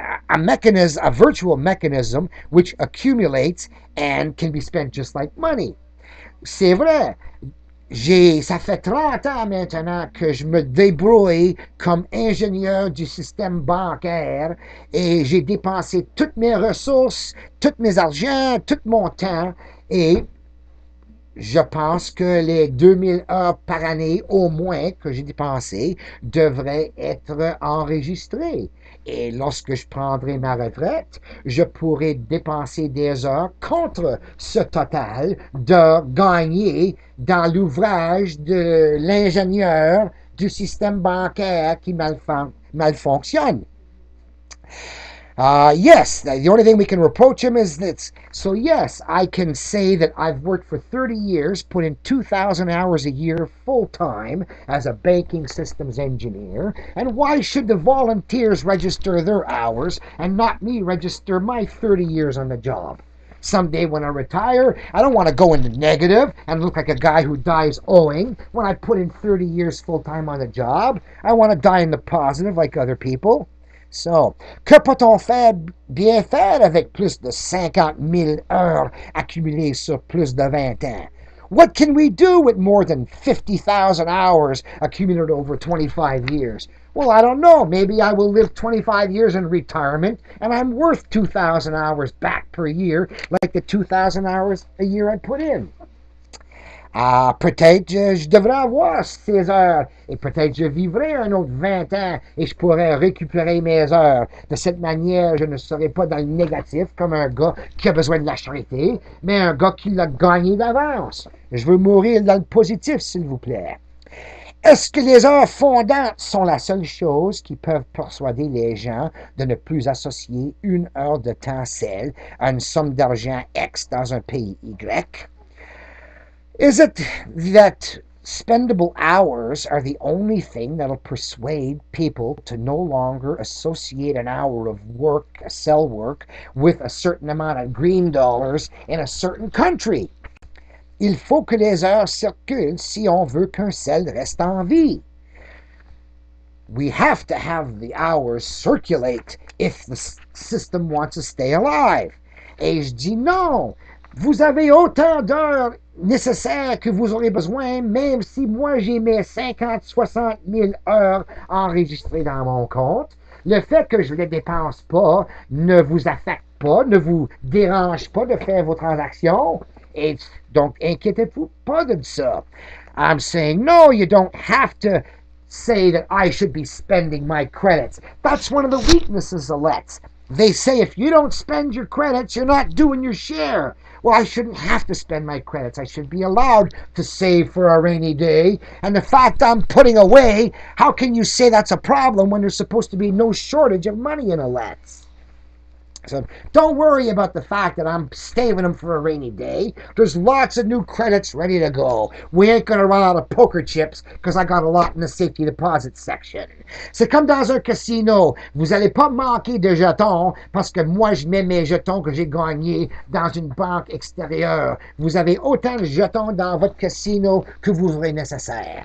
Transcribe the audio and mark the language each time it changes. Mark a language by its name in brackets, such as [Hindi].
[English] A virtual mechanism, which accumulates and can be spent just like money. [French] C'est vrai, ça fait 30 ans maintenant que je me débrouille comme ingénieur du système bancaire et j'ai dépensé toutes mes ressources, toutes mes argent, tout mon temps et... Je pense que les 2000 heures par année au moins que j'ai dépensées devraient être enregistrées. Et lorsque je prendrai ma retraite, je pourrai dépenser des heures contre ce total d'heures gagnées dans l'ouvrage de l'ingénieur du système bancaire qui mal fonctionne. [English] Yes, the only thing we can reproach him is that, so yes, I can say that I've worked for 30 years, put in 2,000 hours a year full-time as a banking systems engineer, and why should the volunteers register their hours and not me register my 30 years on the job? Someday when I retire, I don't want to go into negative and look like a guy who dies owing when I put in 30 years full-time on the job. I want to die in the positive like other people. [French] So, que peut-on faire bien faire avec plus de 50 000 heures accumulées sur plus de 20 ans? [English] What can we do with more than 50,000 hours accumulated over 25 years? Well, I don't know. Maybe I will live 25 years in retirement, and I'm worth 2,000 hours back per year, like the 2,000 hours a year I put in. [French] Ah, peut-être je devrais avoir ces heures et peut-être je vivrai un autre 20 ans et je pourrais récupérer mes heures. De cette manière, je ne serai pas dans le négatif comme un gars qui a besoin de la charité, mais un gars qui l'a gagné d'avance. Je veux mourir dans le positif, s'il vous plaît. Est-ce que les heures fondantes sont la seule chose qui peuvent persuader les gens de ne plus associer une heure de temps SEL à une somme d'argent X dans un pays Y? [English] Is it that spendable hours are the only thing that'll persuade people to no longer associate an hour of work, a SEL work, with a certain amount of green dollars in a certain country? [French] Il faut que les heures circulent si on veut qu'un SEL reste en vie. [English] We have to have the hours circulate if the system wants to stay alive. [French] Et je dis non, vous avez autant d'heures nécessaire que vous aurez besoin, même si moi j'ai mes 50, 60 000 heures enregistrées dans mon compte, le fait que je ne les dépense pas ne vous affecte pas, ne vous dérange pas de faire vos transactions. Et donc, inquiétez-vous pas de ça. [English] I'm saying, no, you don't have to say that I should be spending my credits. That's one of the weaknesses of LETS. They say if you don't spend your credits, you're not doing your share. Well, I shouldn't have to spend my credits. I should be allowed to save for a rainy day. And the fact I'm putting away, how can you say that's a problem when there's supposed to be no shortage of money in a LETS? So don't worry about the fact that I'm saving them for a rainy day. There's lots of new credits ready to go. We ain't going to run out of poker chips because I got a lot in the safety deposit section. [French] C'est comme dans un casino. Vous allez pas manquer de jetons parce que moi, je mets mes jetons que j'ai gagnés dans une banque extérieure. Vous avez autant de jetons dans votre casino que vous aurez nécessaire.